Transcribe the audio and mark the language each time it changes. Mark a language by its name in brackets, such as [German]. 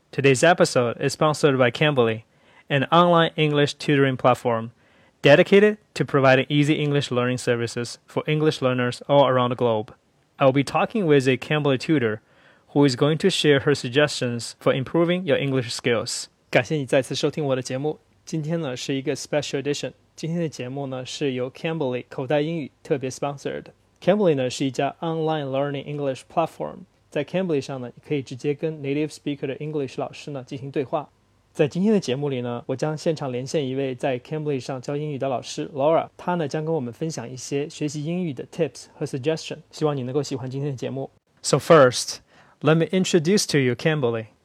[English] Today's episode is sponsored by Cambly, an online English tutoring platform dedicated to providing easy English learning services for English learners all around the globe. I will be talking with a Cambly tutor who is going to share her suggestions for improving your English skills. [Chinese] 感谢你再次收听我的节目。今天呢是一个 [English] special edition。 [Chinese] 今天的节目呢是由 Cambly 口袋英语特别 [English] sponsored。 [Chinese] Cambly 呢是一家 [English] online learning English platform。 [Chinese] 在 Cambly 上呢你可以直接跟 [English] native speaker [Chinese] 的 English 老师呢进行对话。在今天的节目里呢我将现场连线一位在 Cambly 上教英语的老师 Laura。她呢将跟我们分享一些学习英语的 [English] tips [Chinese] 和 [English] suggestion。 [Chinese] 希望你能够喜欢今天的节目。 [English] So first, let me introduce to you Cambly.